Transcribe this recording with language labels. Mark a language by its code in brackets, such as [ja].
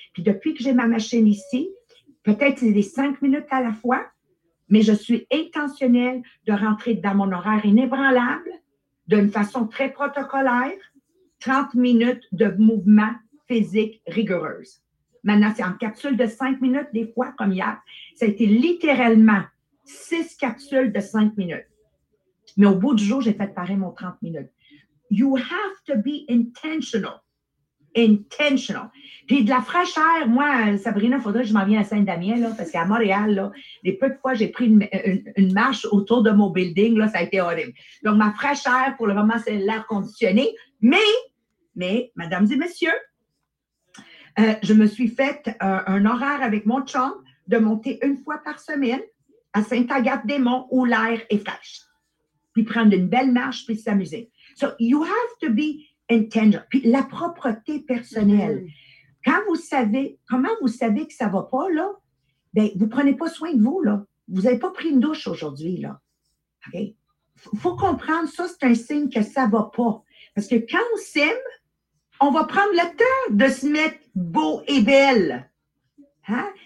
[fr] Puis depuis que j'ai ma machine ici, peut-être c'est des 5 minutes à la fois, mais je suis intentionnelle de rentrer dans mon horaire inébranlable d'une façon très protocolaire, 30 minutes de mouvement physique rigoureuse. Maintenant, c'est en capsule de 5 minutes des fois, comme hier. Ça a été littéralement 6 capsules de 5 minutes. Mais au bout du jour, j'ai fait pareil mon 30 minutes. [en] You have to be intentional. Intentional. [fr] Puis de la fraîcheur, moi, Sabrina, il faudrait que je m'en vienne à Saint-Damien, là, parce qu'à Montréal, là, les peu de fois, j'ai pris une marche autour de mon building, là, ça a été horrible. Donc, ma fraîcheur, pour le moment, c'est l'air conditionné. Mais, mesdames et messieurs, je me suis fait un horaire avec mon chum de monter une fois par semaine à Sainte-Agathe-des-Monts où l'air est fraîche. Puis prendre une belle marche, puis s'amuser. [en] So, you have to be intentional. [fr] Puis la propreté personnelle. Mm-hmm. Comment vous savez que ça ne va pas, là? Bien, vous ne prenez pas soin de vous, là. Vous n'avez pas pris une douche aujourd'hui, là. OK? Il faut comprendre ça, c'est un signe que ça ne va pas. Parce que quand on s'aime, on va prendre le temps de se mettre beau et belle. Hein?